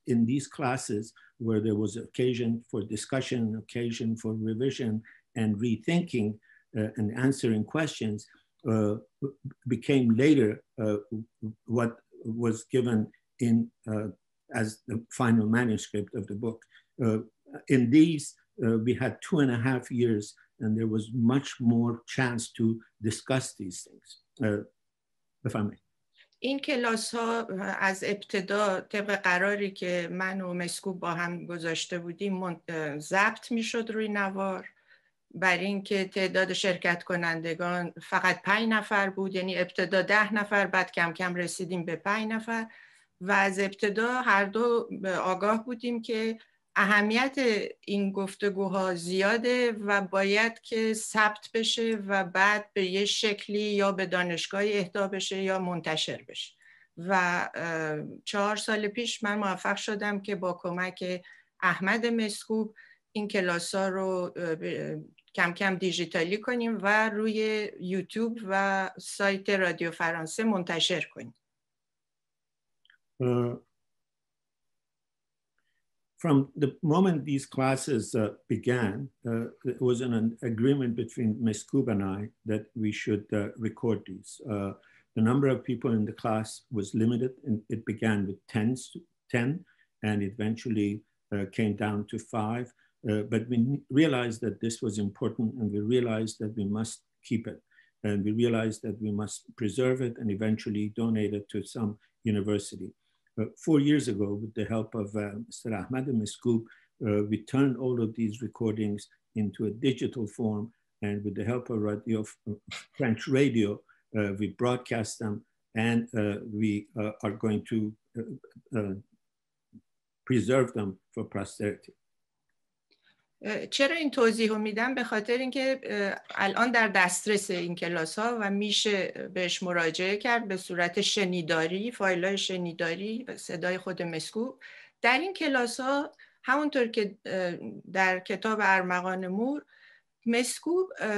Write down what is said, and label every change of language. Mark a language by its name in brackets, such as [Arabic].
[English] In these classes where there was occasion for discussion, occasion for revision and rethinking and answering questions, became later what was given in as the final manuscript of the book. In these, we had 2.5 years and there was much more chance to discuss these things, if I may. [Persian] این کلاس ها از ابتدا طبق قراری که من و مسکوب با هم گذاشته بودیم ضبط می شد روی نوار بر این که تعداد شرکت کنندگان فقط 5 نفر بود یعنی ابتدا 10 نفر بعد کم کم رسیدیم به 5 نفر و از ابتدا هر دو آگاه بودیم که اهمیت این گفتگوها زیاده و باید که ثبت بشه و بعد به یه شکلی یا به دانشگاه اهدا بشه یا منتشر بشه و 4 سال پیش من موفق شدم که با کمک احمد مسکوب این کلاس ها رو کم کم دیجیتالی کنیم و روی یوتیوب و سایت رادیو فرانسه منتشر کنیم. [English] From the moment these classes began, there was an agreement between Meskoob and I that we should record these. The number of people in the class was limited, and it began with 10, and eventually came down to 5. But we realized that this was important, and we realized that we must keep it, and we realized that we must preserve it and eventually donate it to some university. 4 years ago, with the help of Mr. Ahmad Meskoob, we turned all of these recordings into a digital form, and with the help of radio, French radio, we broadcast them, and we are going to preserve them for posterity. [Persian] چرا این توضیح رو میدم به خاطر اینکه الان در دسترس این کلاس ها و میشه بهش مراجعه کرد به صورت شنیداری فایل های شنیداری صدای خود مسکوب در این کلاس ها همونطور که در کتاب ارمغان مور مسکوب